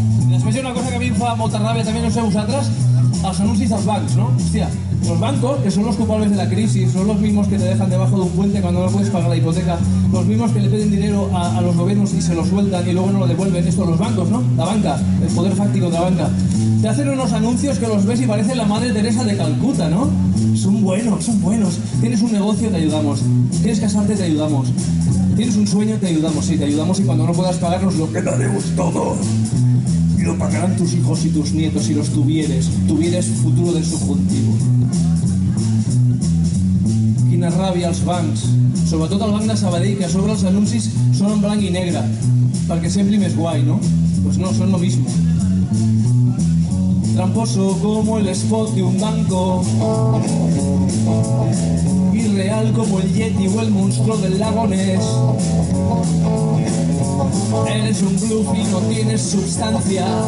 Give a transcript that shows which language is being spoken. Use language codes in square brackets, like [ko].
[ca] Després hi ha una cosa que a mi em fa molta ràbia també, no sé vosaltres, els anuncis dels bancs, no? [es] Hòstia, los bancos, que son los culpables de la crisis, son los mismos que te dejan debajo de un puente cuando no puedes pagar la hipoteca, los mismos que le piden dinero a los gobiernos y se lo sueltan y luego no lo devuelven. Esto, los bancos, ¿no? La banca, el poder fáctico de la banca. Te hacen unos anuncios que los ves y parecen la madre Teresa de Calcuta, ¿no? Son buenos, son buenos. Tienes un negocio, te ayudamos. Quieres casarte, te ayudamos. Tienes un sueño, te ayudamos. Sí, te ayudamos y cuando no puedas pagarnos lo quedaremos todo. Lo pagarán tus hijos y tus nietos si los tuvieres. Tuvieres futuro del subjuntivo. [ca] Quina ràbia els bancs. Sobretot el banc de Sabadell, que a sobre els anuncis són en blanc i negre. Perquè sempre més guai, no? [es] Pues no, són lo mismo. Tramposo como el spot de un banco. Irreal como el Yeti o el monstruo del lago Ness. Eres un bluff y no tienes sustancia.